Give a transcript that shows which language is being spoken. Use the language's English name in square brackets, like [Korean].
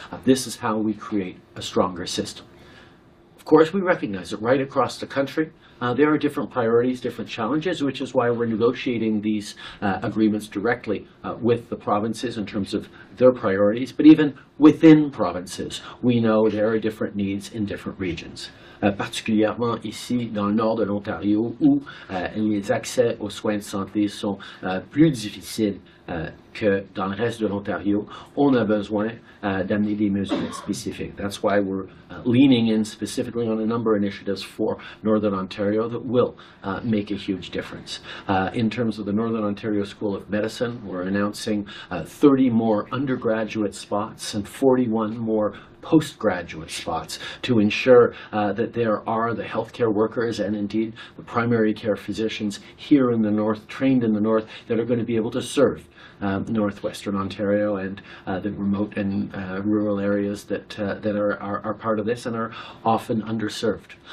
[English] This is how we create a stronger system. Of course, we recognize that right across the country, there are different priorities, different challenges, which is why we're negotiating these agreements directly with the provinces in terms of their priorities. But even within provinces, we know there are different needs in different regions. [French] Particulièrement ici dans le nord de l'Ontario, où les accès aux soins de santé sont plus difficiles que dans le reste de l'Ontario, on a besoin d'amener des mesures spécifiques. [English] That's why we're leaning in specifically on a number of initiatives for Northern Ontario that will make a huge difference. In terms of the Northern Ontario School of Medicine, we're announcing 30 more undergraduate spots and 41 more postgraduate spots to ensure that there are the healthcare workers and indeed the primary care physicians here in the north, trained in the north, that are going to be able to serve northwestern Ontario and the remote and rural areas that are part of this and are often underserved.